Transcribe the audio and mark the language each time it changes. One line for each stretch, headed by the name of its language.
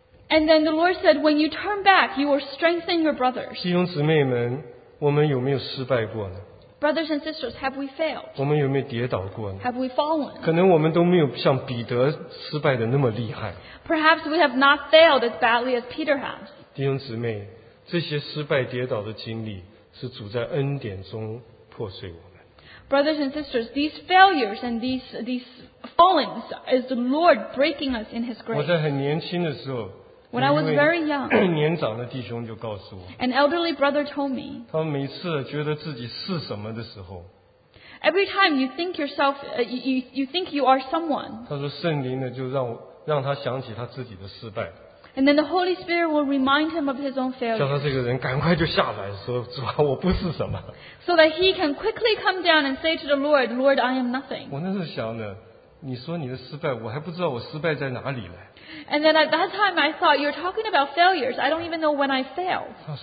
English: And then the Lord said, when you turn back, you will strengthen your brothers.
Chinese: 弟兄姊妹们, 我们有没有失败过呢?
English: Brothers and sisters, have we failed?
Chinese: 我们有没有跌倒过呢?
English: Have we fallen?
Chinese: 可能我们都没有像彼得失败的那么厉害。
English: Perhaps we have not failed as badly as Peter has.
Chinese: 弟兄姊妹, 这些失败跌倒的经历, 是主在恩典中破碎我们。
English: Brothers and sisters, these failures and these fallings is the Lord breaking us in His grace.
Chinese: 我在很年轻的时候,
English: when I was very young,
Chinese: 年长的弟兄就告诉我,
English: an elderly brother told me,
Chinese: 他每次觉得自己是什么的时候,
English: every time you think yourself, you think you are someone,
Chinese: 他说圣灵呢就让他想起他自己的失败,
English: and then the Holy Spirit will remind him of his own failure,
Chinese: 叫他这个人赶快就下来说主啊我不是什么,
English: so that he can quickly come down and say to the Lord, Lord, I am nothing.
Chinese: 我那时候想呢你说你的失败我还不知道我失败在哪里呢。
English: And then at that time I thought, you're talking about failures. I don't even know when I failed.